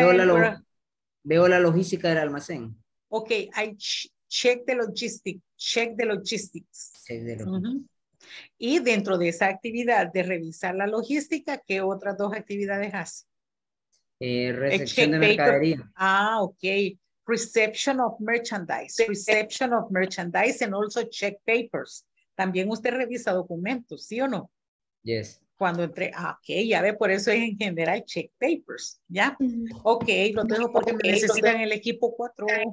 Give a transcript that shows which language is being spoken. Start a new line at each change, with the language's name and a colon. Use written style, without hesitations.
Spanish: veo, en la lo, where... veo la logística del almacén.
English: Ok, I check the logistics. Check the logistics. Check the logistics. Uh-huh.
Spanish: Y dentro de esa actividad de revisar la logística, ¿qué otras dos actividades hace? Recepción de mercadería. Ah, ok.
English: reception of merchandise, reception of merchandise and also check papers.
Spanish: También usted revisa documentos, ¿sí o no?
English: Yes.
Spanish: Cuando entre, ah, ok, ya ve, por eso es en general
English: check papers,
Spanish: ¿ya? Ok, lo dejo porque me necesitan el equipo 4.